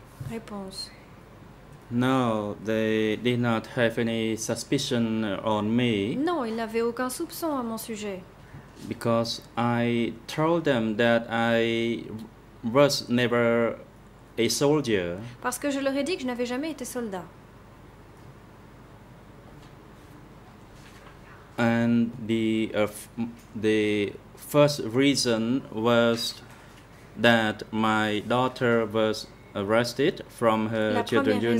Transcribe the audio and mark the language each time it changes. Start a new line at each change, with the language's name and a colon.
French: Réponse.
English: No, they did not have any suspicion on me.
French: Non, ils n'avaient aucun soupçon à mon sujet.
English: Because I told them that I was never a soldier.
French: Parce que je leur ai dit que je n'avais jamais été soldat.
English: And the first reason was that my daughter was arrested from her children's unit.